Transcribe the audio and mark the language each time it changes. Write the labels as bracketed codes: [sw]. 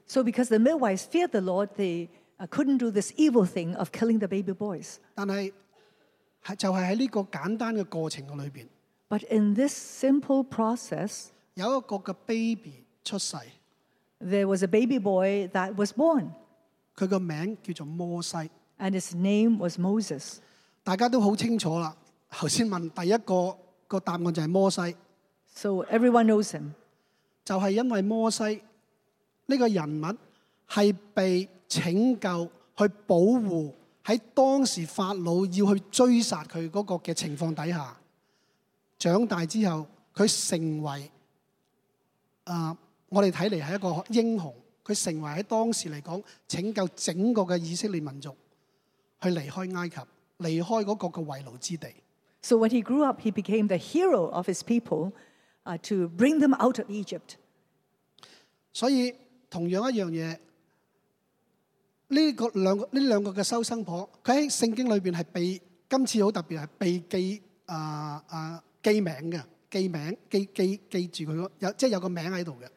[en] So because the midwives feared the Lord, they couldn't do this evil thing of killing the baby boys. [zh] 但是就是在这个简单的过程里面， [en] But in this simple process, [zh] 有一个的 baby 出世， [en] There was a baby boy that was born. [zh] 他的名叫做摩西， [en] And his name was Moses. [zh] 大家都很清楚了，刚才问第一个的答案就是摩西。 [en] So everyone knows him. [zh] 就是因为摩西这个人物是被拯救去保护，在当时法老要去追杀他那个的情况底下，长大之后他成为我们看来是一个英雄，他成为在当时来讲拯救整个的以色列民族去离开埃及，离开那个的为奴之地。 [en] So when he grew up, he became the hero of his people, to bring them out of Egypt. [zh] 所以同样一样嘢，呢两个嘅收生婆，佢喺圣经里边系被今次好特别系被记记名嘅，记名记住佢有即系有个名喺度嘅。